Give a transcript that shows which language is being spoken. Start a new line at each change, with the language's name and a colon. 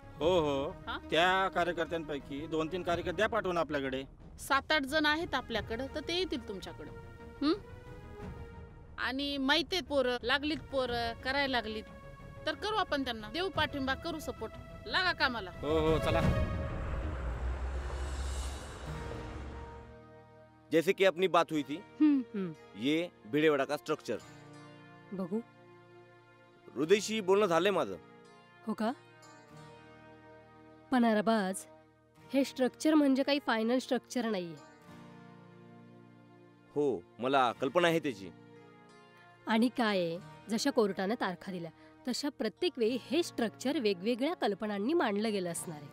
Marathi: हो हो, त्या कार्यकर्त्यांपैकी 2-3 कार्यकर्त्या पाठवून आपल्याकडे. 7-8 जण आहेत आपल्याकडे, तर ते येतील तुमच्याकडे. आणि माहिती आहेत पोरं लागलीत, पोरं करायला लागलीत तर करू आपण त्यांना, देऊ पाठिंबा, करू सपोर्ट, लागा कामाला. हो हो, चला.
Hindi: जैसे कि अपनी बात हुई थी, ये भिडेवाडा का स्ट्रक्चर
Marathi: बघू. हृदयशी बोलणं झालंय माझं. हो का? पण अरबाज, हे स्ट्रक्चर म्हणजे काही फायनल स्ट्रक्चर नाहीये. हो, मला कल्पना आहे त्याची. आणि काय, जशा कोर्टानं तारखा दिल्या तशा प्रत्येक वेळी हे स्ट्रक्चर वेगवेगळ्या कल्पनांनी मांडलं गेलं असणार आहे.